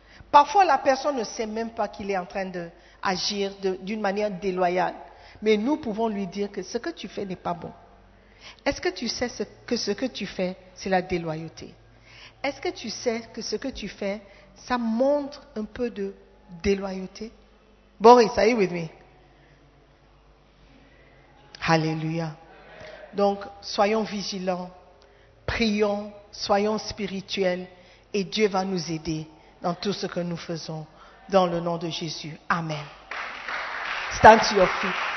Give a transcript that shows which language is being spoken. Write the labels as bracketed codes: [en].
[fr] Parfois, la personne ne sait même pas qu'il est en train d'agir d'une manière déloyale. Mais nous pouvons lui dire que ce que tu fais n'est pas bon. Est-ce que tu sais ce que tu fais, c'est la déloyauté? Est-ce que tu sais que ce que tu fais, ça montre un peu de déloyauté? [en] Boris, are you with me? Hallelujah. [fr] Donc, soyons vigilants, prions, soyons spirituels et Dieu va nous aider dans tout ce que nous faisons. Dans le nom de Jésus. Amen. Stand to your feet.